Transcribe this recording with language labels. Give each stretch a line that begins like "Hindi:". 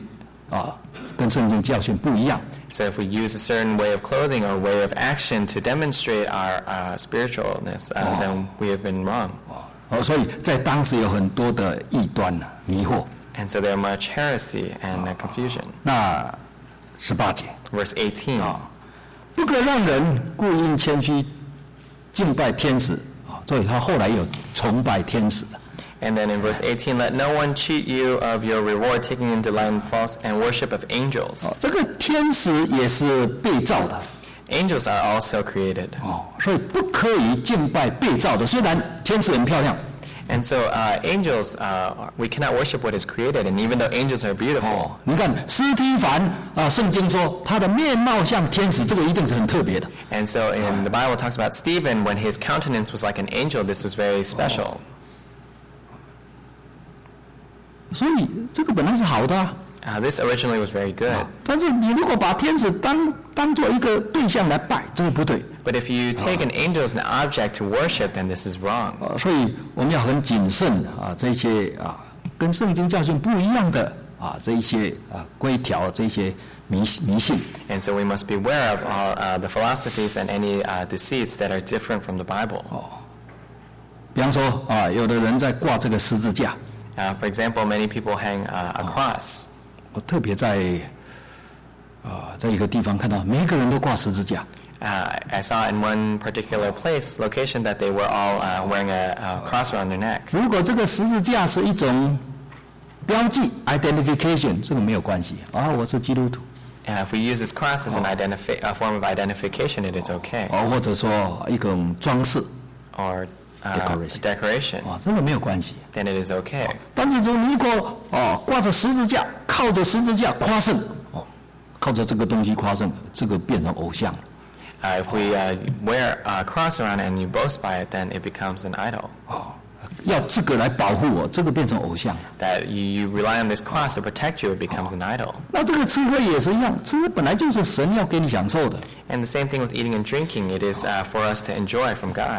Chinese: 所以借着某一个颜色的衣服、某一种形式，要来代表一个人在灵性上的一种追求，这个已经跟圣经教训不一样。
English: So if we use a certain way of clothing or way of action to demonstrate our spiritualness, then we have been wrong.
Chinese: 所以在当时有很多的异端迷惑。
English: And so there are much heresy and confusion.
Chinese: 那18节。
English: Verse 18。
Chinese: 不可让人故意谦虚敬拜天使，所以他后来有崇拜天使的。
English: And then in verse 18, let no one cheat you of your reward, taking in delight in false and worship of angels.
Chinese: 天使也是被造的。
English: Angels are also created.
Chinese: 所以不可以敬拜被造的，虽然天使很漂亮。
English: And so angels, we cannot worship what is created, and even though angels are beautiful.
Chinese: 你看斯蒂凡圣经说他的面貌像天使，这个一定是很特别的。
English: And so in the Bible talks about Stephen, when his countenance was like an angel, this was very special.
Chinese: 所以这个本来是好的。
English: This originally was very good.
Chinese: 但是你如果把天使当做一个对象来拜，这是不对。
English: But if you take an angel as an object to worship, then this is wrong.
Chinese: 所以我们要很谨慎啊，这些啊跟圣经教训不一样的啊这些啊规条，这些迷信。
English: And so we must beware of all the philosophies and any deceits that are different from the Bible.
Chinese: 比方说啊，有的人在挂这个十字架。
English: For example, many people hang a cross.
Chinese: 我特别在在一个地方看到每个人都挂十字架。
English: I saw in one particular place location that they were all wearing a cross around their neck.
Chinese: 如果这个十字架是一种标记 identification, 这个没有关系啊，我是基督徒。
English: If we use this cross as a form of identification, it is okay.
Chinese: 或者说一种装饰
English: or decoration.
Chinese: 啊，这个没有关系。
English: Then it is okay.
Chinese: 但是如果挂着十字架。靠着十字架夸胜，靠着这个东西夸胜，这个变成偶像。
English: If we wear a cross around and you boast by it, then it becomes an idol.
Chinese: 要这个来保护我，这个变成偶像。
English: That you rely on this cross to protect you, it becomes an idol.
Chinese: 那这个吃喝也是一样，吃本来就是神要给你享受的。
English: And the same thing with eating and drinking, it is for us to enjoy from God.